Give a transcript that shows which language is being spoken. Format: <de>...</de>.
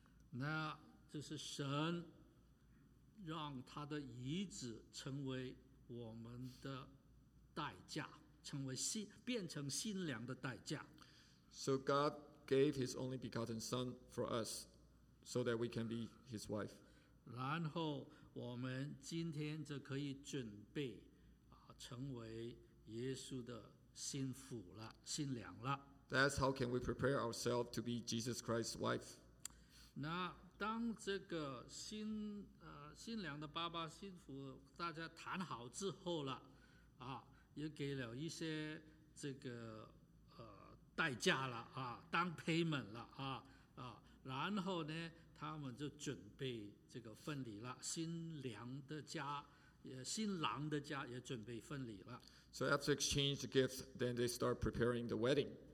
<zh>那这是神让他的儿子成为我们的代价，成为新，变成新娘的代价。</zh> <en>So God gave his only begotten son for us so that we can be his wife.</en> <zh>然后我们今天就可以准备成为耶稣的新妇了，新娘了。</zh> <en>That's how can we prepare ourselves to be Jesus Christ's wife.</en> <zh>那当这个新娘的爸爸新妇大家谈好之后了啊，也给了一些这个代价了啊，当 payment 了啊啊，然后呢他们就准备这个婚礼了，新郎的家也准备婚礼了。</zh> <en>So after exchange the gifts, then they start preparing the wedding.</en>